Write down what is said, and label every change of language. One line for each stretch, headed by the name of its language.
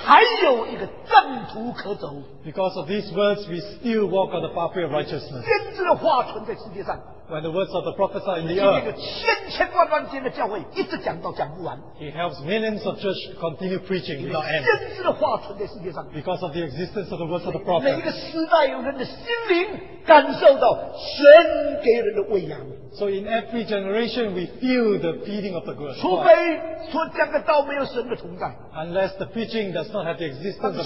Chinese: 因为这些话这个世界还有一个正途可走。
English: Because of these words, we still walk on the pathway of righteousness.
Chinese: 先知的话存在世界上。
English: When the words of the prophets are in the earth,
Chinese: 千千万万间的教会一直讲到讲不完,
English: he helps millions of church continue preaching without end.
Chinese: 先知的话存在世界上,
English: because of the existence of the words of the prophets,
Chinese: 每一个时代有人的心灵感受到神给人的喂养,
English: so in every generation we feel the feeding of the word.
Chinese: 除非说讲的道没有神的同在,
English: unless the preaching does not have the existence of